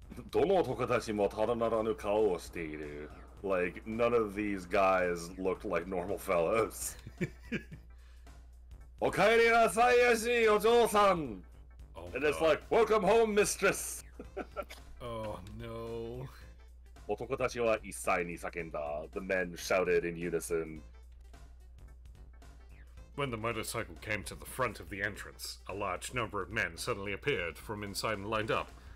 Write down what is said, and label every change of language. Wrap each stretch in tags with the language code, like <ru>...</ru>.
<ja>どの男たちもただならぬ顔をしている。</ja> <en>Like, none of these guys looked like normal fellows.</en> <ja>おかえりなさい、ヨシー、お嬢さん!</ja> <en>Oh, and it's like, welcome home, mistress! Oh, no.</en> <ja>男たちは一切に叫んだ。</ja> <en>The men shouted in unison. When the motorcycle came to the front of the entrance, a large number of men suddenly appeared from inside and lined up.</en>